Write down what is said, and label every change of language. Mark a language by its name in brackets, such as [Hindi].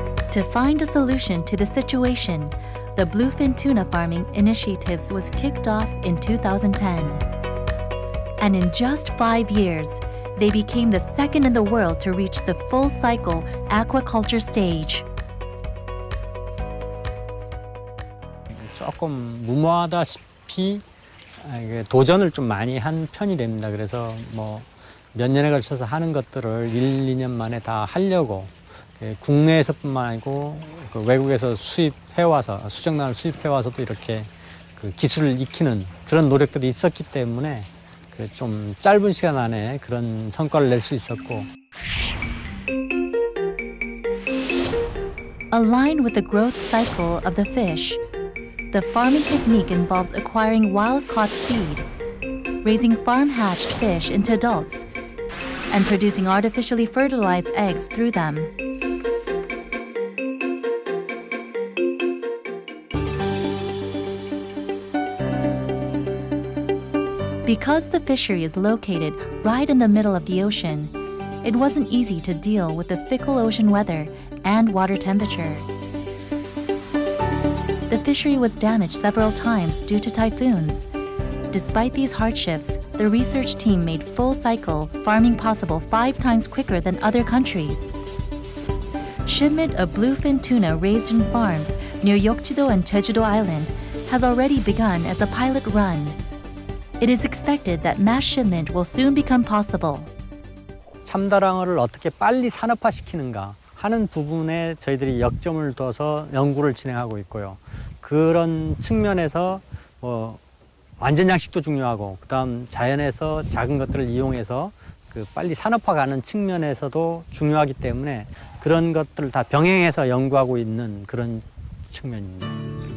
[English] To find a solution to the situation, the bluefin tuna farming initiatives was kicked off in 2010. And in just 5 years, they became the second in the world to reach the full cycle aquaculture stage. [Korean] 조금 무모하다시피 도전을 좀 많이 한 편이 됩니다. 그래서 뭐 몇 년에 걸쳐서 하는 것들을 1, 2년 만에 다 하려고 국내에서뿐만 아니고 그 외국에서 수입해와서 수정란을 수입해와서도 이렇게 그 기술을 익히는 그런 노력들이 있었기 때문에 그 좀 짧은 시간 안에 그런 성과를 낼 수 있었고. [English] Aligned with the growth cycle of the fish, the farming technique involves acquiring wild-caught seed, raising farm-hatched fish into adults, and producing artificially fertilized eggs through them. Because the fishery is located right in the middle of the ocean, it wasn't easy to deal with the fickle ocean weather and water temperature. The fishery was damaged several times due to typhoons. Despite these hardships, the research team made full cycle farming possible 5 times quicker than other countries. Shipment of bluefin tuna raised in farms near Yeokjido and Jeju-do Island has already begun as a pilot run. It is expected that mass shipment will soon become possible. [Korean] 참다랑어를 어떻게 빨리 산업화시키는가 하는 부분에 저희들이 역점을 둬서 연구를 진행하고 있고요. 그런 측면에서 뭐 완전 양식도 중요하고 그다음 자연에서 작은 것들을 이용해서 그 빨리 산업화가는 측면에서도 중요하기 때문에 그런 것들을 다 병행해서 연구하고 있는 그런 측면입니다.